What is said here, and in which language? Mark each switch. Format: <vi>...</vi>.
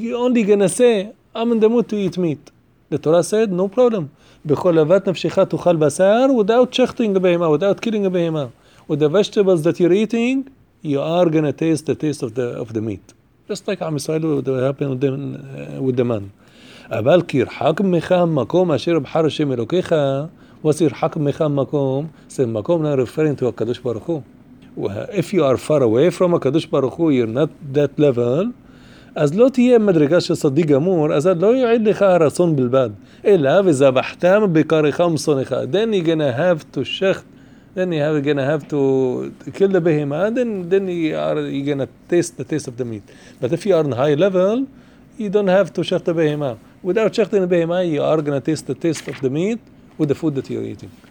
<en>You're only going to say, I'm in the mood to eat meat. The Torah said, no problem.</en> <he>בכל לבת נפשך תאכל בשר</he> <en>without shechting the behemah, without killing the behemah. With the vegetables that you're eating, you are going to taste the taste of the meat. Just like Am Yisrael, what happened with the man.</en> <he>אבל כי ירחק ממך המקום אשר בחר השם אלוקיך,</he> <en>what's</en> <he>ירחק ממך המקום? זה מקום</he> <en>not referring to</en> <he>הקדוש ברוך הוא.</he> <en>If you are far away from</en> <he>הקדוש ברוך הוא,</he> <en>you're not that level,</en> <he>אז לא תהיה מדרגה של צדיק גמור, אז לא יועיל לך הרצון בלבד, אלא וזבחתם בקריך ומסונך.</he> <en>Then you're going to have to shecht, then you're going to have to kill the behemah, then you're going to taste the taste of the meat. But if you are in high level, you don't have to shecht the behemah. Without shechting the behemah, you are going to taste the taste of the meat with the food that you're eating.</en>